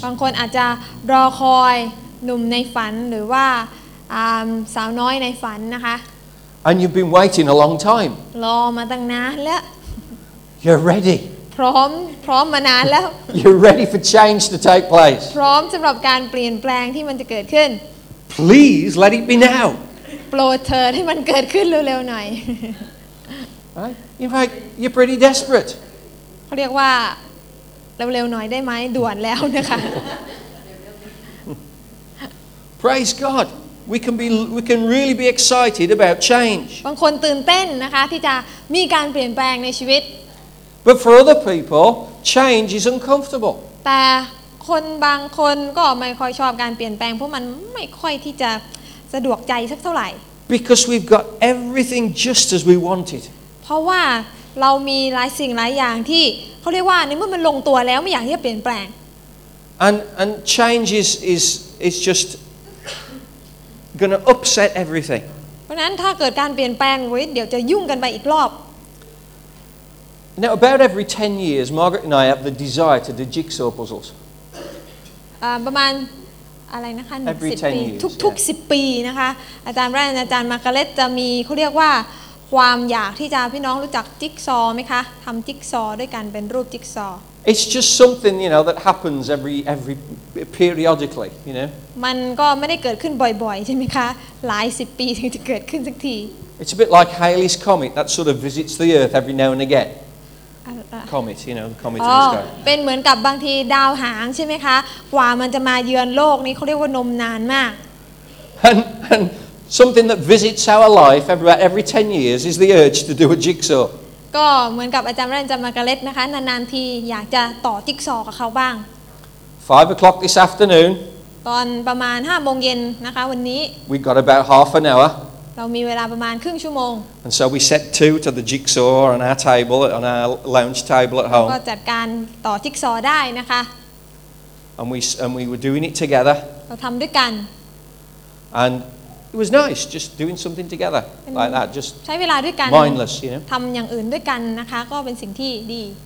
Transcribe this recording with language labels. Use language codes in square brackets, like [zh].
[th] บางคนอาจจะรอคอยหนุ่มในฝันหรือว่าสาวน้อยในฝันนะคะ [en] And you've been waiting a long time. [th] รอมาตั้งนานแล้ว [en] You're ready. [th] พร้อมมานานแล้ว [en] You're ready for change to take place. [th] พร้อมสำหรับการเปลี่ยนแปลงที่มันจะเกิดขึ้น [en] Please let it be now. [th] โปรดเถิดให้มันเกิดขึ้นเร็วๆหน่อย [en] Right? In fact, you're pretty desperate. [th] เขาเรียกว่าเร็วๆหน่อยได้ไหมด่วนแล้วนะคะ [en] Praise God. We can really be excited about change. [th] บางคนตื่นเต้นนะคะที่จะมีการเปลี่ยนแปลงในชีวิต [en] But for other people, change is uncomfortable. [th] แต่คนบางคนก็ไม่ค่อยชอบการเปลี่ยนแปลงเพราะมันไม่ค่อยที่จะสะดวกใจสักเท่าไหร่ [en] Because we've got everything just as we wanted [th] เพราะว่าเรามีหลายสิ่งหลายอย่างที่เขาเรียกว่าในเมื่อมันลงตัวแล้วไม่อยากที่จะเปลี่ยนแปลง [en] And change is just gonna upset everything [th] เพราะนั้นถ้าเกิดการเปลี่ยนแปลงเดี๋ยวจะยุ่งกันไปอีกรอบ [en] Now about every 10 years Margaret and I have the desire to do jigsaw puzzles [th] ประมาณอะไรนะคะ10 ปีนะคะอาจารย์แรนอาจารย์มาร์กาเร็ตจะมีเขาเรียกว่าความอยากที่จะพี่น้องรู้จักจิ๊กซอว์ไหมคะทำจิ๊กซอว์ด้วยกันเป็นรูปจิ๊กซอว์ [en] It's just something you know that happens every periodically you know [th] มันก็ไม่ได้เกิดขึ้นบ่อยๆใช่ไหมคะหลายสิบปีถึงจะเกิดขึ้นสักที [en] It's a bit like Halley's comet that sort of visits the Earth every now and again comet you know the comet in the sky [th] เป็นเหมือนกับบางทีดาวหางใช่ไหมคะกว่ามันจะมาเยือนโลกนี้เขาเรียกว่านมนานมาก [en] and something that visits our life every 10 years is the urge to do a jigsaw [th] ก็เหมือนกับอาจารย์แรนจามาการ์เล็ตนะคะนานๆทีอยากจะต่อจิ๊กซอว์กับเขาบ้าง [en] 5 o'clock this afternoon [th] ตอนประมาณ 5:00 นนะคะวันนี้ [en] we got about half an hour [th] เรามีเวลาประมาณครึ่งชั่วโมง [en] And so we set two to the jigsaw on our table on our lounge table at home [th] ก็จัดการต่อจิ๊กซอได้นะคะ [en] And we were doing it together [th] เราทำด้วยกัน [en] And it was nice just doing something together like that just [th] ใช้เวลาด้วยกัน [en] mindless you know [th] ทำอย่างอื่นด้วยกันนะคะก็เป็นสิ่งที่ดี